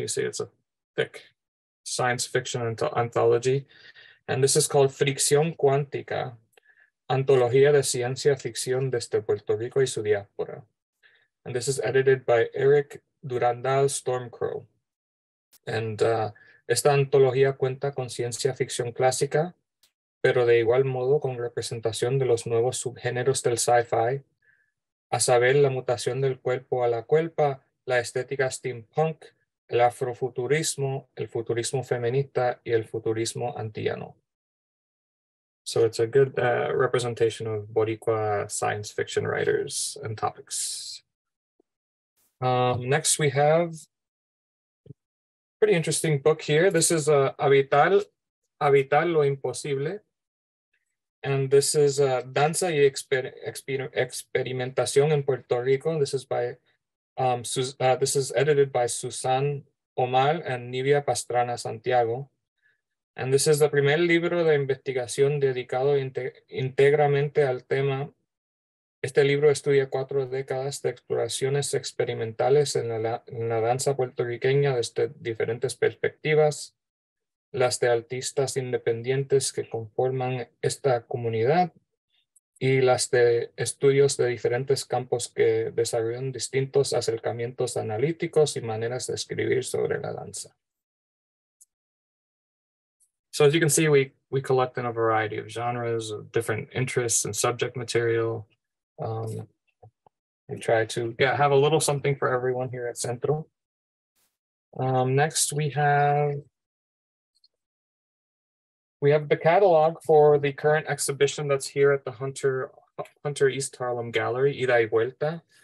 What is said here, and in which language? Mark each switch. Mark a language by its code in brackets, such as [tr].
[en] You see, it's a thick science fiction anthology. And this is called Fricción Cuántica, Antología de Ciencia Ficción desde Puerto Rico y su Diáspora. And this is edited by Eric Durandal Stormcrow. [es] And esta antología cuenta con ciencia ficción clásica, pero de igual modo con representación de los nuevos subgéneros del sci-fi, a saber, la mutación del cuerpo a la cuerpa, la estética steampunk, el afrofuturismo, el futurismo feminista y el futurismo antillano. [en] So it's a good representation of Boricua science fiction writers and topics. Next we have a pretty interesting book here. This is Habitar lo Imposible. And this is Danza y Experimentación en Puerto Rico. This is by this is edited by Susan Omar and Nivia Pastrana Santiago. And this is the [es] primer libro de investigación dedicado íntegramente al tema. Este libro estudia cuatro décadas de exploraciones experimentales en la danza puertorriqueña desde diferentes perspectivas, las de artistas independientes que conforman esta comunidad y las de estudios de diferentes campos que desarrollan distintos acercamientos analíticos y maneras de escribir sobre la danza. [en] So as you can see, we collect in a variety of genres, of different interests and subject material. We try to have a little something for everyone here at Centro. Next we have the catalog for the current exhibition that's here at the Hunter East Harlem Gallery, Ida y Vuelta.